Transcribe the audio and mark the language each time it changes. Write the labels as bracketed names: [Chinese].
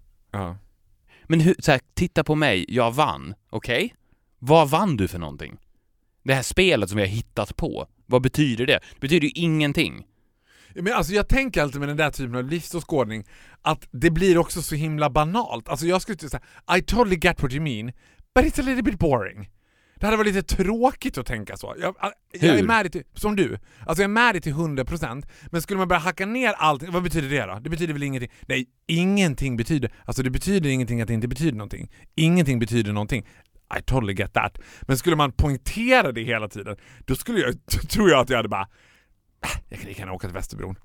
[Swedish] Ja. Men hur, så här, titta på mig, jag vann. Okej? Okay? Vad vann du för någonting? Det här spelet som jag hittat på. Vad betyder det? Det betyder ju ingenting. Men alltså, jag tänker alltid med den där typen av livsåskådning att det blir också så himla banalt. Alltså jag skulle säga, [English] I totally get what you mean, but it's a little bit boring. [Swedish] Det hade varit lite tråkigt att tänka så. Jag är med dig till, som du. Alltså jag är med dig till 100%. Men skulle man börja hacka ner allting, vad betyder det då? Det betyder väl ingenting. Nej, ingenting betyder. Alltså det betyder ingenting att det inte betyder någonting. Ingenting betyder någonting. [English] I totally get that. [Swedish] Men skulle man poängtera det hela tiden, då skulle jag, tror jag att jag hade bara, jag kan inte åka till Västerbron.